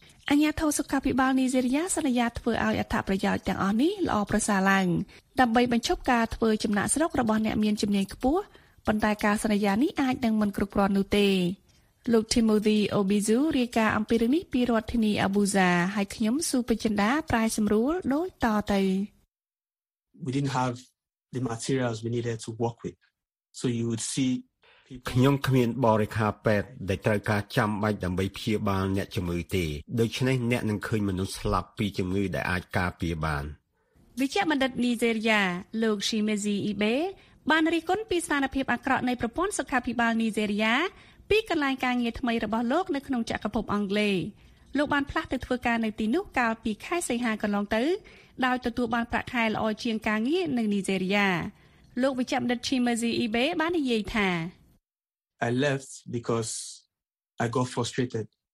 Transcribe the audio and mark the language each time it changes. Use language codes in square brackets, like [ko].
[km] អញ្ញាធិបតីសុខាភិបាលនីហ្សេរីយ៉ាសន្យាធ្វើឲ្យអត្ថប្រយោជន៍ទាំងអស់នេះល្អប្រសើរឡើងដើម្បីបញ្ឈប់ការធ្វើចំណាក់ស្រុករបស់អ្នកមានជំនាញខ្ពស់ប៉ុន្តែការសន្យានេះអាចនឹងមិនគ្រប់គ្រាន់នោះទេលោក Timothy Obizu រាយការណ៍អំពីរឿងនេះពីរដ្ឋធានី Abuja ហើយខ្ញុំសុភិចិន្តាប្រាយសម្រួលដូចតទៅ [en] We didn't have the materials we needed to work with so you would see [km] ខ្ញុំគ្មានបរិការពេទ្យដែលត្រូវការចាំបាច់ដើម្បីព្យាបាលអ្នកជំងឺទេដូច្នេះអ្នកនឹងឃើញមនុស្សស្លាប់ពីជំងឺដែលអាចការពារបាន វិជ្ជាបណ្ឌិតនីហ្សេរីយ៉ាលោក Shimezi Ibe បានរិះគន់ពីស្ថានភាពអាក្រក់នៃប្រព័ន្ធសុខាភិបាលនីហ្សេរីយ៉ាពីកន្លែងការងារថ្មីរបស់លោកនៅក្នុងចក្រភពអង់គ្លេសលោកបានផ្លាស់ទៅធ្វើការនៅទីនោះកាលពីខែសីហាកន្លងទៅដោយទទួលបានប្រាក់ខែល្អជាងការងារនៅនីហ្សេរីយ៉ាលោកវិជ្ជាបណ្ឌិត Shimezi Ibe បាននិយាយថា [en] I left because I got frustrated.